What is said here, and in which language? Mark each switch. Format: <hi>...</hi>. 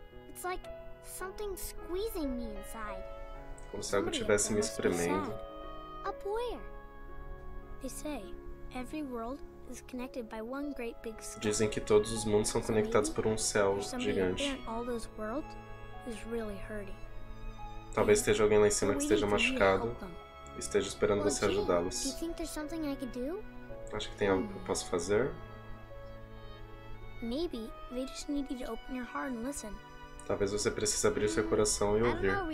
<en>It's like something squeezing me inside.</en> <pt>Como se algo estivesse me espremendo.</pt> <en>Up where? They say every world is connected by one great big sky.</en> <pt>Dizem que todos os mundos são conectados por um céu gigante.</pt> <en>All those worlds is really hurting.</en> <pt>Talvez esteja alguém lá em cima que esteja machucado e esteja esperando você ajudá-los.</pt> <en>Do you think there's something I could do?</en> <pt>Acho que tem algo que eu posso fazer.</pt> <en>Maybe they just need you to open your heart and listen.</en> <pt>Talvez você precise abrir seu coração e ouvir.</pt>